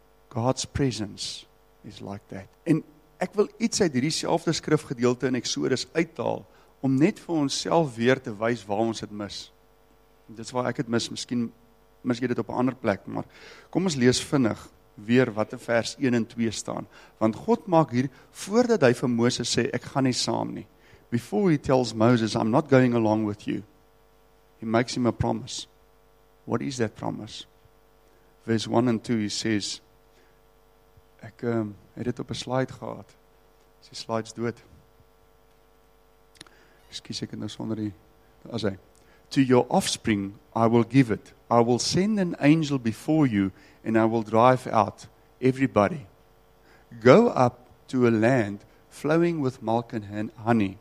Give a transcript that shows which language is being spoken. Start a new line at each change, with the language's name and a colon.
English: God's presence is like that.
Afrikaans: En ek wil iets uit hierdie selfde skrifgedeelte in Exodus uithaal om net vir onsself weer te wys waar ons dit mis. Dit is waar ek het mis, miskien mis jy dit op 'n ander plek, maar kom ons lees vinnig weer wat in vers 1 en 2 staan. Want God maak hier, voordat hy vir Moses sê, ek gaan nie saam nie.
English: Before he tells Moses, I'm not going along with you. He makes him a promise. What is that promise? Verse 1 and 2, he says,
Afrikaans: Ek het dit op 'n slide gehad. Is die slides dood? Excuse, ek het nou sonder die... As hy,
English: to your offspring I will give it. I will send an angel before you and I will drive out everybody. Go up to a land flowing with milk and honey.